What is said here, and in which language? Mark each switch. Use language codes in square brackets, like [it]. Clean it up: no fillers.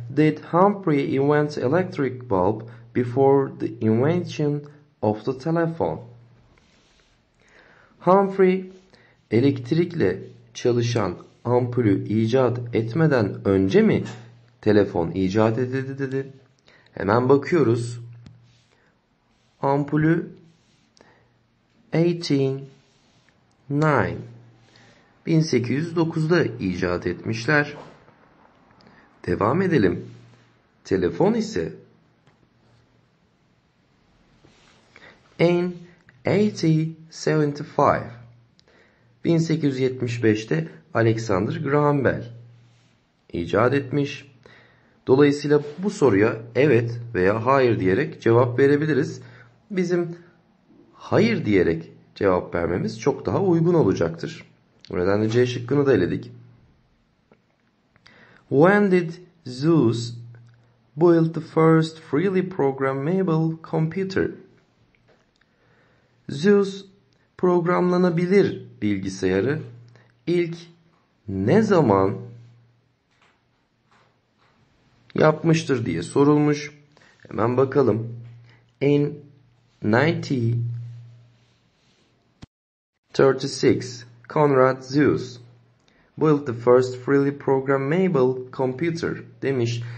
[en] Did Humphrey invent electric bulb before the invention of the telephone? [tr] Humphrey elektrikle çalışan ampulü icat etmeden önce mi telefon icat edildi dedi. Hemen bakıyoruz. Ampulü 1809'da icat etmişler. Devam edelim. Telefon ise in 1875'te Alexander Graham Bell icat etmiş. Dolayısıyla bu soruya evet veya hayır diyerek cevap verebiliriz. Bizim hayır diyerek cevap vermemiz çok daha uygun olacaktır. Bu nedenle C şıkkını da eledik. [en] When did Zeus build the first freely programmable computer? [tr] Zeus programlanabilir bilgisayarı ilk ne zaman yapmıştır diye sorulmuş. Hemen bakalım. [en] In 1936, Konrad Zuse built the first freely programmable computer [tr] demiş.